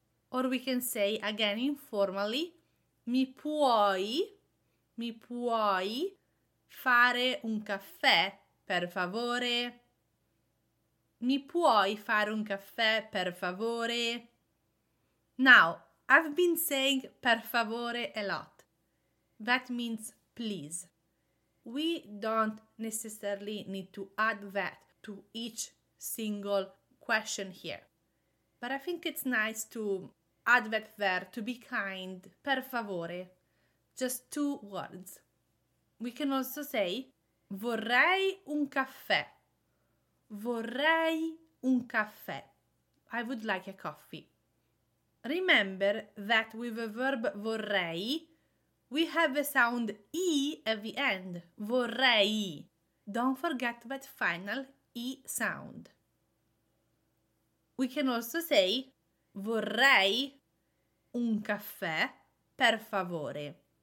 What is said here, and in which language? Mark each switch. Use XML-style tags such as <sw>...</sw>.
<en>Or we can say again informally,</en> <it>mi puoi fare un caffè per favore? Mi puoi fare un caffè per favore?</it> <en>Now, I've been saying</en> <it>per favore</it> <en>a lot. That means please. We don't necessarily need to add that to each single question here. But I think it's nice to add that there to be kind,</en> <it>per favore.</it> <en>Just two words. We can also say</en> <it>vorrei un caffè. Vorrei un caffè.</it> <en>I would like a coffee. Remember that with the verb vorrei, We have the sound E at the end, vorrei. Don't forget that final E sound. We can also say,</en> <it>vorrei un caffè, per favore.</it>